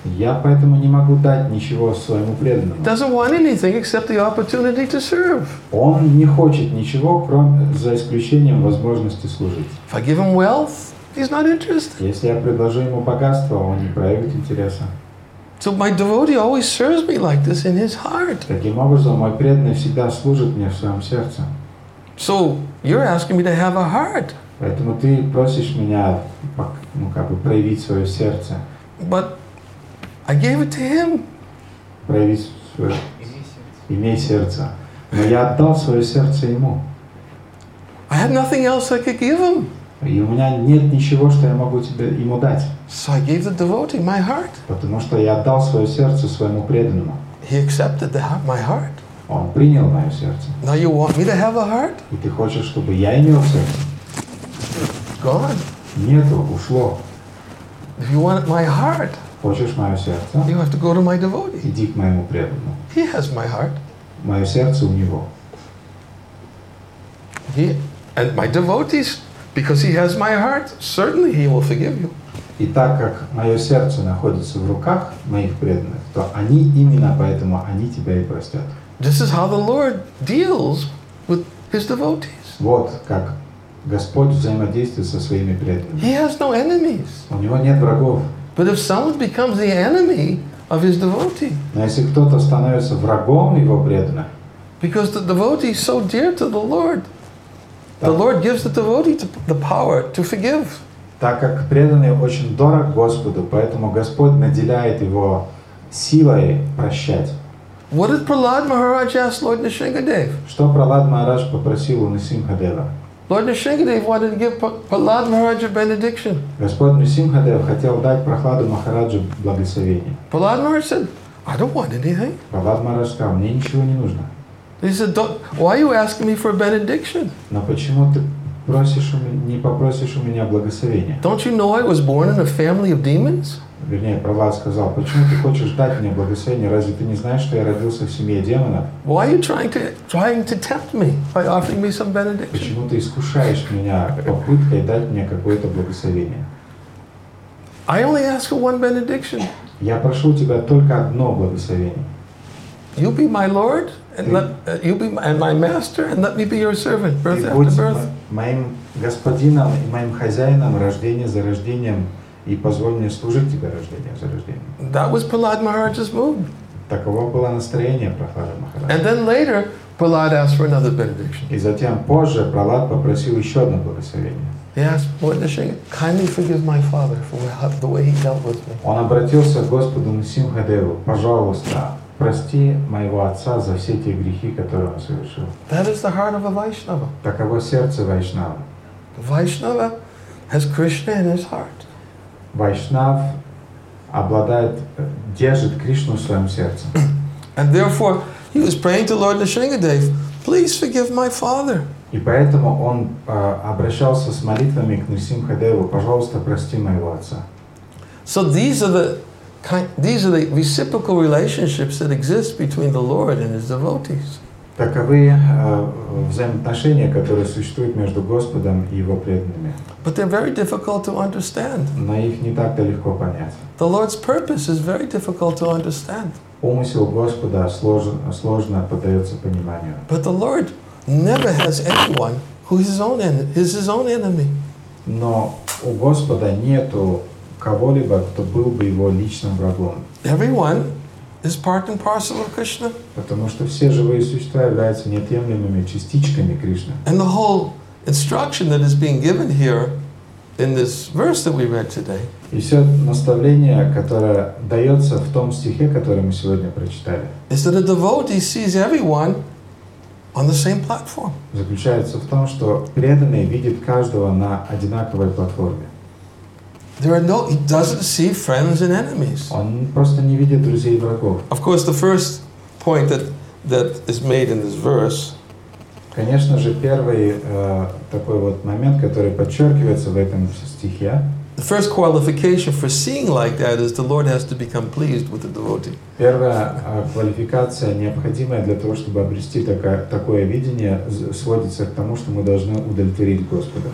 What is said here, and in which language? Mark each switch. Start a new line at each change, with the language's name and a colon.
Russian: Я поэтому не могу дать ничего своему преданному.
English: He doesn't want anything except the opportunity to serve.
Russian: Он не хочет ничего, кроме за исключением возможности служить.
English: If I give him wealth, he's not interested.
Russian: Если я предложу ему богатство, он не проявит интереса.
English: So my devotee always serves me like this in his heart.
Russian: Таким образом, мой преданный всегда служит мне в своем сердце.
English: So you're asking me to have a heart.
Russian: Поэтому ты просишь меня, ну, как бы проявить свое сердце.
English: But I gave it to him.
Russian: Проявить свое сердце. Имей сердце. Но я отдал свое сердце ему.
English: I had nothing else I could give him.
Russian: И у меня нет ничего, что я могу тебе ему дать.
English: So I gave the devotee my heart.
Russian: Потому что я отдал свое сердце своему преданному.
English: He accepted my heart.
Russian: Он принял мое сердце.
English: Now you want me to have a heart?
Russian: И ты хочешь, чтобы я имел сердце?
English: Gone.
Russian: Нету, ушло.
English: If you want my heart,
Russian: хочешь мое сердце?
English: You have to go to my devotee.
Russian: Иди к моему преданному.
English: He has my heart.
Russian: Мое сердце у него.
English: He and my devotees. Because he has my heart, certainly he will forgive you.
Russian: И так как мое сердце находится в руках моих преданных, то они именно поэтому они тебя и простят.
English: This is how the Lord deals with his devotees.
Russian: Вот как Господь взаимодействует со своими преданными.
English: He has no enemies.
Russian: У него нет врагов.
English: But if someone becomes the enemy of his devotee.
Russian: Но если кто-то становится врагом его преданных.
English: Because the devotee is so dear to the Lord. The Lord gives the devotee the power to forgive.
Russian: Так как преданный очень дорог Господу, поэтому Господь наделяет его силой прощать.
English: What did Prahlad Maharaj ask Lord Nisshinkadev?
Russian: Что Прохлад Махарадж попросил у Нисимхадева?
English: Lord Nisshinkadev wanted to give Prahlad Maharaj a benediction.
Russian: Господь Нисимхадев хотел дать Прохладу Махараджу благословение.
English: Prahlad Maharaj said, I don't want anything.
Russian: Прохлад Махарадж сказал, мне ничего не нужно.
English: He said, "Why are you asking me for a benediction?"
Russian: Но почему ты просишь у меня, не попросишь у меня благословения?
English: Don't you know I was born in a family of demons?
Russian: Вернее, Прохлад сказал, почему ты хочешь дать мне благословение? Разве ты не знаешь, что я родился в семье демонов?
English: Why are you trying to tempt me by offering me some benediction?
Russian: Почему ты искушаешь меня попыткой дать мне какое-то благословение?
English: I only ask for one benediction.
Russian: Я прошу у тебя только одно благословение.
English: You be my Lord, and let you be and my Master, and let me be your servant, birth after birth.
Russian: Ты будь моим господином и моим хозяином, рождение за рождением, и позволь мне служить тебе рождение за рождением.
English: That was Prahlad Maharaj's mood.
Russian: Таково было настроение Прохлады Махараджа.
English: And then later, Prahlad asked for another benediction.
Russian: И затем позже Прохлад попросил еще одно благословение.
English: Yes, Lord Nrisimha, kindly forgive my father for the way he dealt with me.
Russian: Он обратился к Господу Нрисимхадеву, пожалуйста, прости моего отца за все те грехи, которые он совершил.
English: That is the heart of a Vaishnava.
Russian: Таково сердце Вайшнава.
English: Vaishnava has Krishna in his heart.
Russian: Вайшнав обладает, держит Кришну в своем сердце.
English: And therefore, he was praying to Lord Nrisimhadev, please forgive my father.
Russian: И поэтому он обращался с молитвами к Нрисимхадеву, пожалуйста, прости моего отца.
English: So these are the reciprocal relationships that exist between the Lord and his devotees.
Russian: Таковы взаимоотношения, которые существуют между Господом и его преданными.
English: But they're very difficult to understand.
Russian: Но их не так-то легко понять.
English: The Lord's purpose is very difficult to understand.
Russian: Умысел Господа сложно поддается пониманию.
English: But the Lord never has anyone who is his own enemy.
Russian: Но у Господа нету кого-либо, кто был бы его личным врагом.
English: Everyone is part and parcel of Krishna.
Russian: Потому что все живые существа являются неотъемлемыми частичками Кришны.
English: And the whole instruction that is being given here in this verse that we read today.
Russian: И все наставление, которое дается в том стихе, который мы сегодня прочитали.
English: Is that a devotee sees everyone on the same platform.
Russian: Заключается в том, что преданный видит каждого на одинаковой платформе.
English: There are no, he doesn't see friends and enemies.
Russian: Он просто не видит друзей и врагов.
English: Of course, the first point that is made in this verse.
Russian: Конечно же, первый такой вот момент, который подчеркивается в этом стихе.
English: The first qualification for seeing like that is the Lord has to become pleased with the devotee.
Russian: Первая квалификация, необходимая для того, чтобы обрести такое видение, сводится к тому, что мы должны удовлетворить Господа.